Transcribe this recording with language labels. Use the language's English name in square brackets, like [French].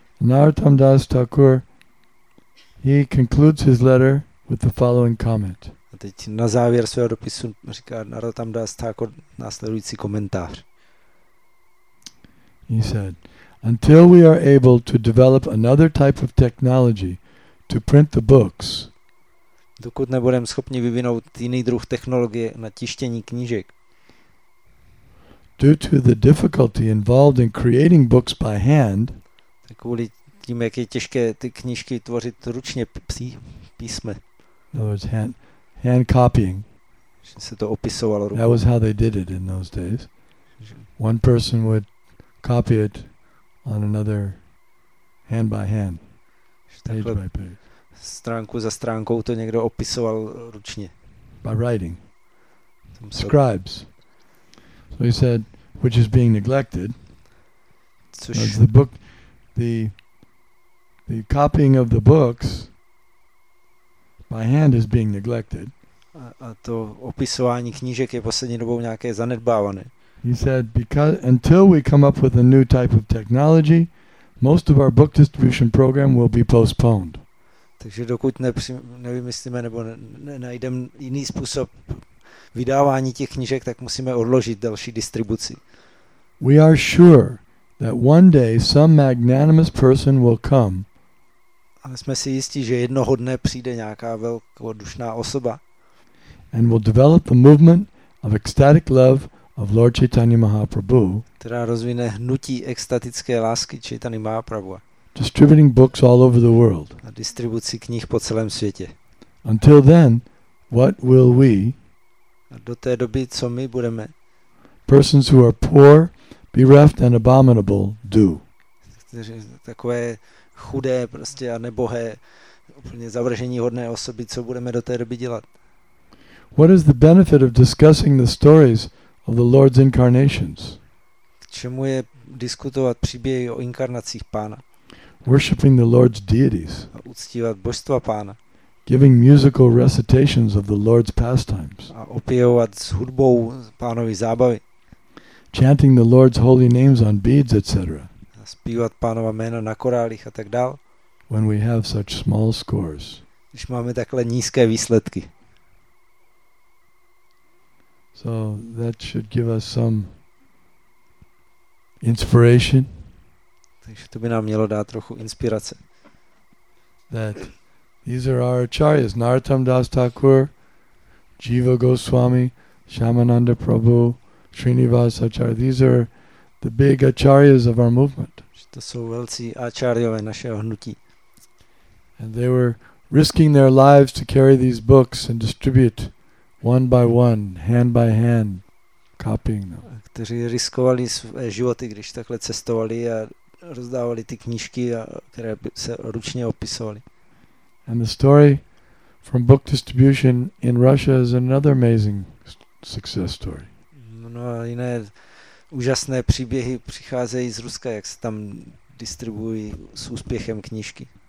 [English] Narottam Das Thakur, he concludes his letter with the following comment. [Czech] A teď na závěr svého dopisu říká Narottam Das Thakur následující komentář. [English] He said, until we are able to develop another type of technology to print the books, [Czech] dokud nebudeme schopni vyvinout jiný druh technologie na tištění knížek, [English] due to the difficulty involved in creating books by hand, [Czech] kvůli tím, jak je těžké ty knížky tvořit ručně písme. [English] In other words, hand copying. [Czech] Že se to opisovalo rukou. [English] That was how they did it in those days. One person would copy it on another hand by hand, page by page. [Czech] Stránku za stránkou to někdo opisoval ručně. [English] By writing. Scribes. So he said, which is being neglected. Because the book, the copying of the books by hand is being neglected. [Czech] A to opisování knížek je poslední dobou nějaké zanedbávané. [English] He said, because until we come up with a new type of technology, most of our book distribution program will be postponed. [Czech] Takže dokud nevymyslíme nebo najdeme jiný způsob vydávání těch knížek, tak musíme odložit další distribuci. [English] We are sure that one day some magnanimous person will come. [Czech] Ale jsme si jistí, že jednoho dne přijde nějaká velkodušná osoba. [English] And will develop the movement of ecstatic love of Lord Chaitanya Mahaprabhu. [Czech] Která rozvine hnutí extatické lásky Chaitany Mahaprabhu. [English] Distributing books all over the world. [Czech] A distribuci knih po celém světě. [English] Until then, what will we? [Czech] A do té doby, co my budeme? [English] Persons who are poor, bereft and abominable do. [Czech] Takové chudé prostě a nebohé, úplně zavržení hodné osoby, co budeme do té doby dělat? [English] What is the benefit of discussing the stories of the Lord's incarnations? [Czech] K čemu je diskutovat příběhy o inkarnacích Pána? [English] Worshipping the Lord's deities. [Czech] A uctívat božstva Pána. [English] Giving musical recitations of the Lord's pastimes. [Czech] A opěvovat s hudbou Pánovy zábavy. [English] Chanting the Lord's holy names on beads, etc. [Czech] A zpívat Pánova jména na korálích a tak dál. [English] When we have such small scores. [Czech] Když máme takhle nízké výsledky. [English] So that should give us some inspiration. [Czech] Takže to by nám mělo dát trochu inspirace. [English] That these are our acharyas, Narottam Das Thakur, Jiva Goswami, Shyamananda Prabhu, Srinivas Acharya. These are the big acharyas of our movement. [Czech] To jsou velcí acharyové našeho hnutí. [English] And they were risking their lives to carry these books and distribute one by one, hand by hand, copying them. [Czech] Kteří riskovali své životy, když takhle cestovali a rozdávali ty knížky, které se ručně opisovaly. [English] And the story from book distribution in Russia is another amazing success story. [Czech] No a jiné úžasné příběhy přicházejí z Ruska, jak se tam distribuují s úspěchem knížky.